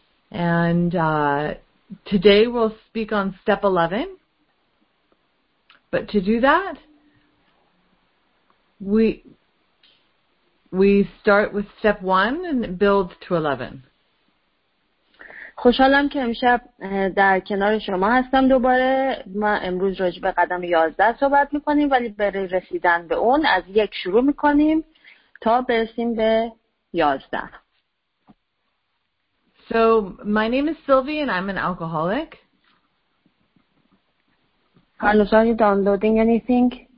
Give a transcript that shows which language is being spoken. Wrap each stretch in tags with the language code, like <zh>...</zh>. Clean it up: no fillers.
<en>And today we'll speak on step 11. But to do that, we start with step 1 and build to 11.</en> <fa>خوشحالم که امشب در کنار شما هستم دوباره. ما امروز راجع به قدم 11 صحبت می‌کنیم، ولی برای رسیدن به اون از یک شروع می‌کنیم تا برسیم به 11.</fa> <en>So my name is Sylvie and I'm an alcoholic. Carlos, are you downloading anything?</en>